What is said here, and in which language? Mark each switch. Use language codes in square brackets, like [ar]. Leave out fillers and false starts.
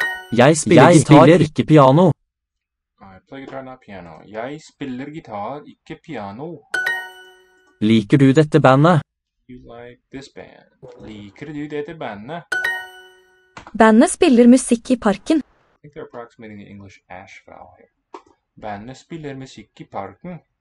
[no] Jeg spiller gitar, ikke piano. [en] I play guitar, not piano. [no] Jeg spiller gitar, ikke piano. Liker du dette bandet? [en] You like this band. [no] Liker du dette bandet? Bandet spiller musikk I parken. [en] I think they're approximating the English ash vowel here. [no] Bandet spiller musikk I parken.